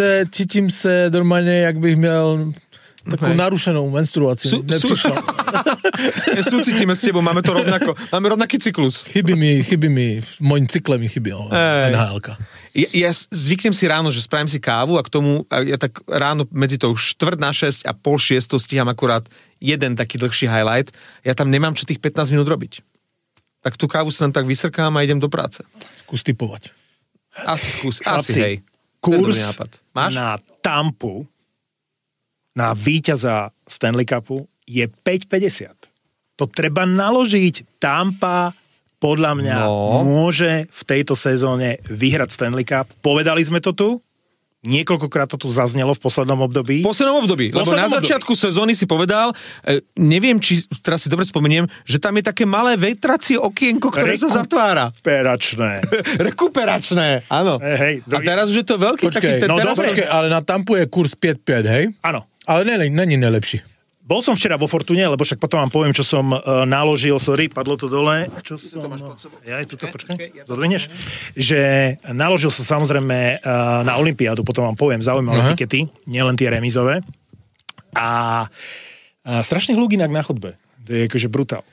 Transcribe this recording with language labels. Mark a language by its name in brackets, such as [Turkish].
[Czech] Cítím se normálně, jak bych měl... [Slovak] Takú narušenú menstruáciu. Súcitíme s tebou, máme to rovnako. Máme rovnaký cyklus. Chybí mi, v môjim cykle mi chybí NHL-ka. Ja zvyknem si ráno, že spravím si kávu a k tomu, ja tak ráno medzi tou 5:45 a 5:30 stíham akurát jeden taký dlhší highlight. Ja tam nemám čo tých 15 minút robiť. Tak tú kávu sa tam tak vysrkám a idem do práce. Skús typovať. Asi, hej. Kurs na Tampu na víťaza Stanley Cupu je 5,50. To treba naložiť. Tampa, podľa mňa, môže v tejto sezóne vyhrať Stanley Cup. Povedali sme to tu. Niekoľkokrát to tu zaznelo v poslednom období. V poslednom období. Lebo na začiatku sezóny si povedal, neviem, či teraz si dobre spomeniem, že tam je také malé vetracie okienko, ktoré sa zatvára. Rekuperačné. Rekuperačné, áno. Hej, a teraz už je to veľký. Počkej, taký... Počkej, ale na Tampu je kurz 5,5, hej? Áno. Ale není najlepší. Bol som včera vo Fortune, lebo však potom vám poviem, čo som naložil. Sorry, padlo to dole. Čo som... To máš pod sebou. Ja aj tuto, počkaj. Zodvineš? Že naložil som samozrejme na olympiádu, potom vám poviem zaujímavé tikety, nielen tie remizové. A strašný hľúk inak na chodbe. To je akože brutál.